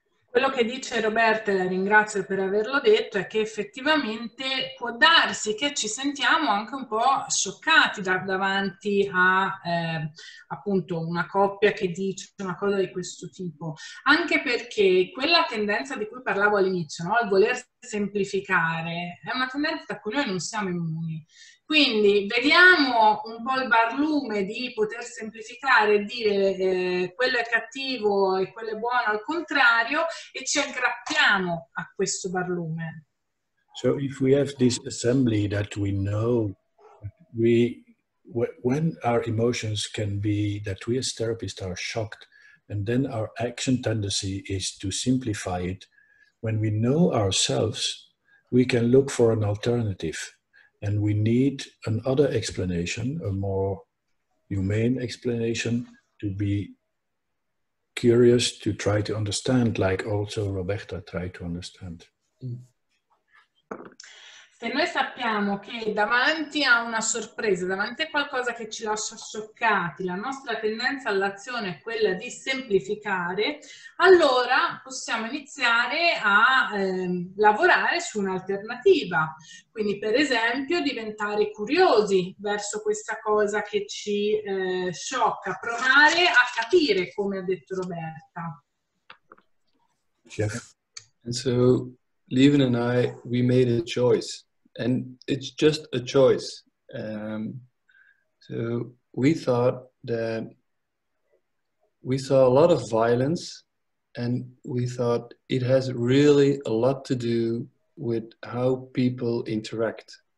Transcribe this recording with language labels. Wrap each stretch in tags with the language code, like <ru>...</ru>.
<it>Quello che dice Roberta, la ringrazio per averlo detto, è che effettivamente può darsi che ci sentiamo anche un po' scioccati davanti a appunto una coppia che dice una cosa di questo tipo, anche perché quella tendenza di cui parlavo all'inizio, no, al voler semplificare, è una tendenza da cui noi non siamo immuni. Quindi vediamo un po' il barlume di poter semplificare e dire quello è cattivo e quello è buono al contrario e ci aggrappiamo a questo barlume.</it> <en>So if we have this assembly that we know, when our emotions can be that we as therapists are shocked and then our action tendency is to simplify it, when we know ourselves, we can look for an alternative. And we need another explanation, a more humane explanation, to be curious, to try to understand, like also Roberta tried to understand.</en> <it>Se noi sappiamo che davanti a una sorpresa, davanti a qualcosa che ci lascia scioccati, la nostra tendenza all'azione è quella di semplificare, allora possiamo iniziare a lavorare su un'alternativa. Quindi per esempio diventare curiosi verso questa cosa che ci sciocca, provare a capire, come ha detto Roberta.</it> <en>Jeff. And so Levin and I, we made a choice. And it's just a choice. So we thought that we saw a lot of violence and we thought it has really a lot to do with how people interact.</en>